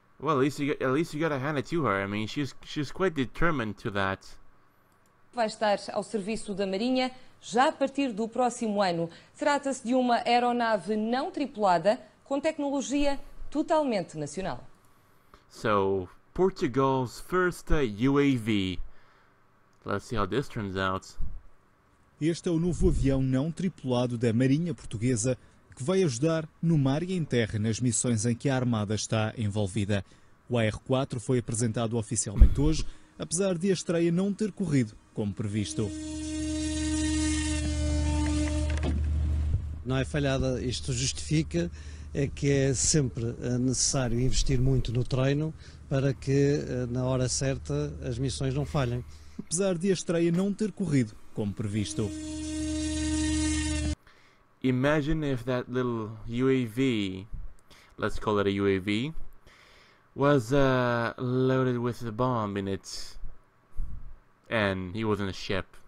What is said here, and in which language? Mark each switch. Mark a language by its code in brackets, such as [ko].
[en] Well, at least you gotta hand it to her. I mean, she's quite determined to that. [pt] Vai estar ao serviço da Marinha já a partir do próximo ano. Trata-se de uma aeronave não tripulada com tecnologia totalmente nacional. [en] So, Portugal's first UAV. Let's see how this turns out. [pt] Este é o novo avião não tripulado da Marinha Portuguesa que vai ajudar no mar e em terra nas missões em que a Armada está envolvida. O AR-4 foi apresentado oficialmente hoje, apesar de a estreia não ter corrido como previsto. Não é falhada. Isto justifica é que é sempre necessário investir muito no treino para que, na hora certa, as missões não falhem. Apesar de a estreia não ter corrido como previsto. [en] Imagine if that little UAV, let's call it a UAV, was loaded with a bomb in it, and he was in a ship.